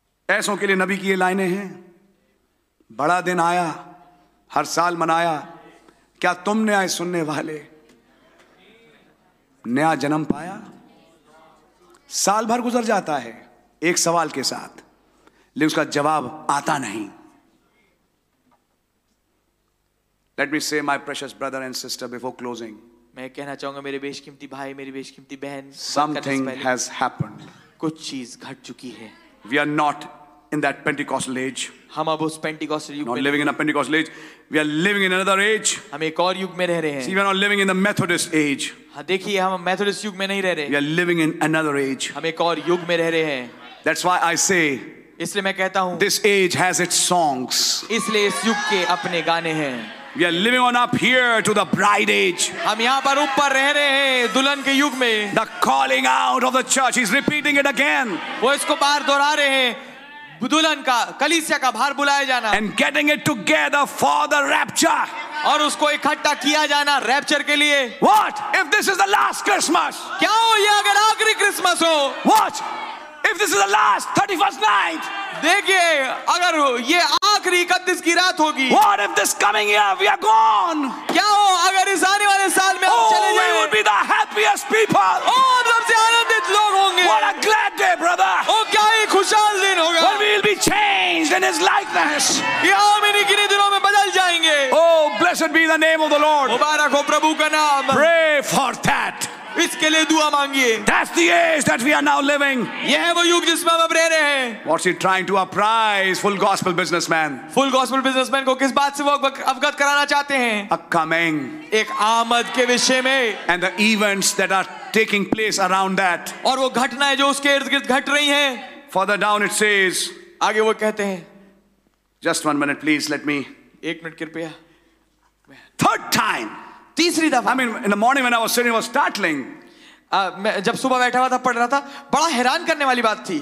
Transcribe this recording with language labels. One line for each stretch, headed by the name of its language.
Hindi: ऐसों के लिए नबी की ये लाइनें हैं, बड़ा दिन आया, हर साल मनाया, क्या तुमने आए सुनने वाले नया जन्म पाया? साल भर गुजर जाता है एक सवाल के साथ, लेकिन उसका जवाब आता नहीं।
English: Let me say, my precious brother and sister, before closing.
Hindi: मैं कहना चाहूँगा मेरे बेशकीमती भाई, मेरी बेशकीमती बहन।
English: Something has happened.
Hindi: कुछ चीज़ घट चुकी है।
English: We are not in that Pentecostal age.
Hindi: हम अब उस Pentecostal युग में।
English: Not living in a Pentecostal age. We are living in another age.
Hindi: हम एक और युग में रह रहे हैं।
English: See, we are not living in the Methodist age.
Hindi: हाँ, देखिए हम Methodist युग में नहीं रह रहे।
English: We are living in another age.
Hindi: हम एक और युग में रह रहे हैं।
English: That's why I say.
Hindi: इसलिए मैं कहता हूँ।
English: This age has its songs.
Hindi: इसलिए इस युग के अपने गाने हैं।
English: We are living on up here to the bride age.
Hindi: हम यहाँ पर ऊपर रह रहे हैं दुल्हन के युग में।
English: The calling out of the church, he's repeating it again.
Hindi: वो इसको बार दोहरा रहे हैं, दुल्हन का, कलीसिया का बाहर बुलाया जाना।
English: And getting it together for the rapture.
Hindi: और उसको इकट्ठा किया जाना रैप्चर के लिए।
English: What if this is the last Christmas?
Hindi: क्या हो ये अगर आखिरी क्रिसमस हो?
English: What if this is the last 31st night?
Hindi: देखिए अगर ये आखिरी 31 की रात होगी।
English: What if this coming year we are gone?
Hindi: क्या हो अगर इस आने वाले साल में हम चले जाएं?
English: We will be the happiest people.
Hindi: ओ सबसे आनंदित लोग होंगे।
English: What a glad day, brother.
Hindi: ओ क्या ही खुशहाल दिन होगा।
English: When we will be changed in his likeness.
Hindi: हम इन्हीं गिने दिनों में बदल जाएंगे।
English: Oh, blessed be the name of the Lord.
Hindi: मुबारक हो प्रभु का नाम।
English: Pray for that.
Hindi: इसके लिए दुआ मांगिए।
English: That's the age that we are now living.
Hindi: ये है वो युग जिसमें हम रह रहे हैं।
English: What's he trying to apprise full gospel businessman?
Hindi: Full gospel businessman को किस बात से वो अवगत कराना चाहते हैं?
English: A coming.
Hindi: एक आमद के विषय में।
English: And the events that are taking place around that.
Hindi: और वो घटनाएं जो उसके इर्द-गिर्द घट रही हैं।
English: Further down it says.
Hindi: आगे वो कहते हैं।
English: Just one minute, please let me.
Hindi: एक मिनट कृपया।
English: Third time.
Hindi: तीसरी दफा।
English: I mean, in the morning when I was sitting, it was startling.
Hindi: जब सुबह बैठा हुआ था पढ़ रहा था, बड़ा हैरान करने वाली बात थी।